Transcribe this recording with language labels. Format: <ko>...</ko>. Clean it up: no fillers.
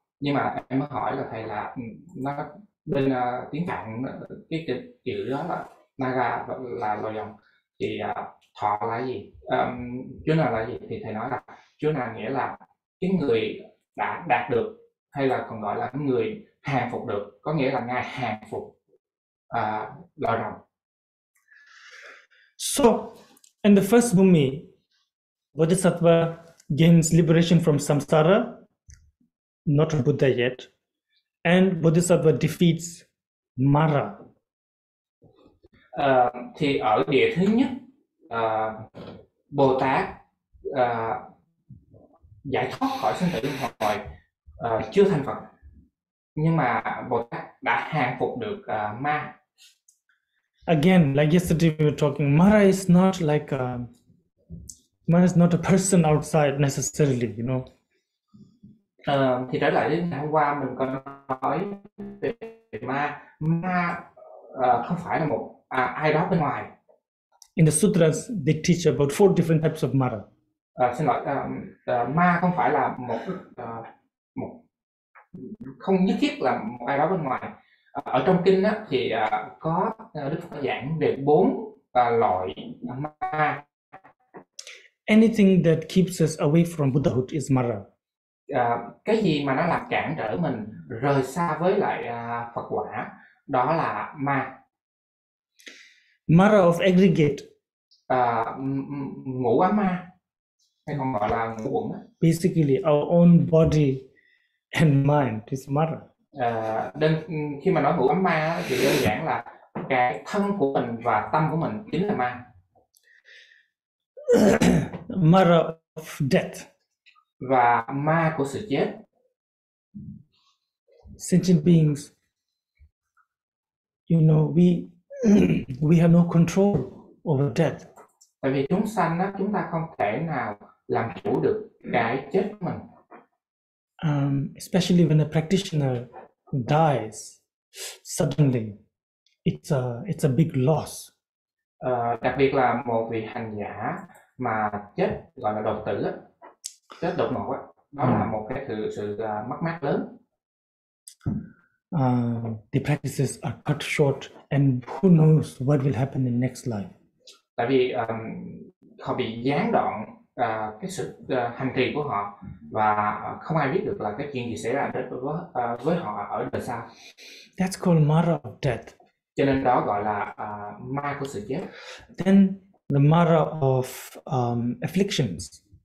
<vi>Nhưng mà em mới hỏi là thầy là nó bên tiếng Phạn cái chữ đó là Naga là loài dòng thì thọ là gì, chú nào là gì, thì thầy nói là chú nào nghĩa là cái người đã đạt được hay là còn gọi là người hàng phục được, có nghĩa là ngài hàng phục loài rồng.</vi> <en>So, in the first bhumi, Bodhisattva gains liberation from samsara, not a Buddha yet, and Bodhisattva defeats Mara.</en> <vi>Thì ở địa thứ nhất Bồ Tát giải thoát khỏi sinh tử luân hồi chưa thành Phật nhưng mà Bồ Tát đã hàng phục được ma.</vi> <en>Again, like yesterday we were talking, Mara is not like a, Mara is not a person outside necessarily, you know.</en> <vi>Thì trở lại đến hôm qua mình có nói về ma, ma không phải là một ai đó bên ngoài.</vi> <en>In the sutras, they teach about four different types of Mara.</en> <vi>Xin lỗi, ma không phải là không nhất thiết là một ai đó bên ngoài. Ở trong kinh đó thì có Đức Phật giảng về bốn loại ma.</vi> <en>Anything that keeps us away from Buddhahood is Mara.</en> <vi>Cái gì mà nó làm cản trở mình rời xa với lại Phật quả đó là ma.</vi> <en>Mara of aggregate.</en> <vi>Ngũ ám ma hay còn gọi là ngũ uẩn</vi> <en>Basically, our own body and mind is Mara. á.</en> <vi>Nên khi mà nói ngũ ám ma thì đơn giản là cái thân của mình và tâm của mình chính là ma.</vi> <en>Mara of death.</en> <vi>Và ma của sự chết.</vi> <en>Beings. We have no control over death.</en> <vi>Tại vì chúng sanh đó, chúng ta không thể nào làm chủ được cái chết của mình.</vi> <en>Especially when a practitioner dies suddenly, it's a big loss.</en> <vi>Đặc biệt là một vị hành giả mà chết gọi là đột tử, chết đột ngột á, đó là một cái sự mất mát lớn.</vi> <en>The practices are cut short, and who knows what will happen in next life.</en> <vi>Tại vì họ bị gián đoạn cái sự hành trì của họ và không ai biết được là cái chuyện gì xảy ra với họ ở đời sau.</vi> <en>That's called Mara of death.</en> <vi>Cho nên đó gọi là ma của sự chết.</vi> <en>Then the Mara of afflictions.</en>